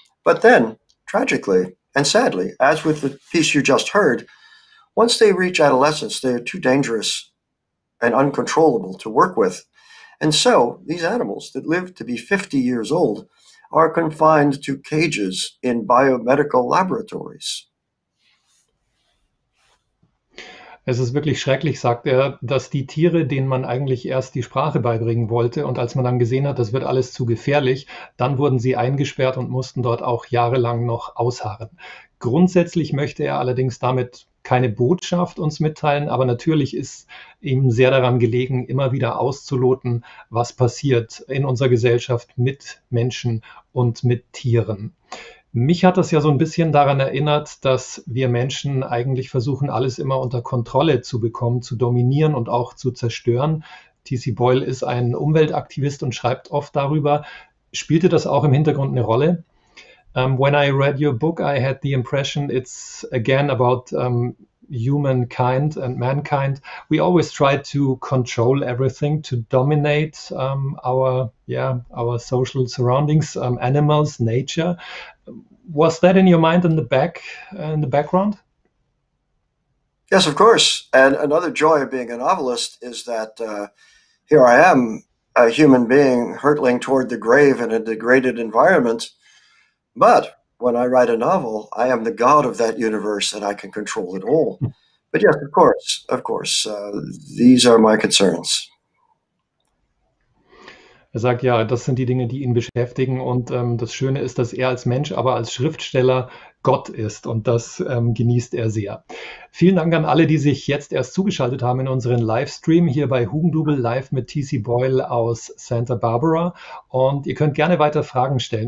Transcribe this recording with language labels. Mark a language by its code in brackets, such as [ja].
[en] But then, tragically and sadly, as with the piece you just heard, once they reach adolescence, they are too dangerous and uncontrollable to work with. And so these animals that live to be 50 years old are confined to cages in biomedical laboratories. [de] Es ist wirklich schrecklich, sagt er, dass die Tiere, denen man eigentlich erst die Sprache beibringen wollte und als man dann gesehen hat, das wird alles zu gefährlich, dann wurden sie eingesperrt und mussten dort auch jahrelang noch ausharren. Grundsätzlich möchte er allerdings damit keine Botschaft uns mitteilen, aber natürlich ist ihm sehr daran gelegen, immer wieder auszuloten, was passiert in unserer Gesellschaft mit Menschen und mit Tieren. Mich hat das ja so ein bisschen daran erinnert, dass wir Menschen eigentlich versuchen, alles immer unter Kontrolle zu bekommen, zu dominieren und auch zu zerstören. T.C. Boyle ist ein Umweltaktivist und schreibt oft darüber. Spielte das auch im Hintergrund eine Rolle? [en] When I read your book, I had the impression it's again about humankind and mankind. We always try to control everything, to dominate our social surroundings, animals, nature. Was that in your mind in the background? Yes, of course. And another joy of being a novelist is that here I am, a human being hurtling toward the grave in a degraded environment. But when I write a novel, I am the god of that universe and I can control it all. But yes, of course, these are my concerns. [de] Er sagt, ja, das sind die Dinge, die ihn beschäftigen. Und das Schöne ist, dass er als Mensch, aber als Schriftsteller Gott ist. Und das genießt er sehr. Vielen Dank an alle, die sich jetzt erst zugeschaltet haben in unseren Livestream hier bei Hugendubel live mit T.C. Boyle aus Santa Barbara. Und ihr könnt gerne weiter Fragen stellen.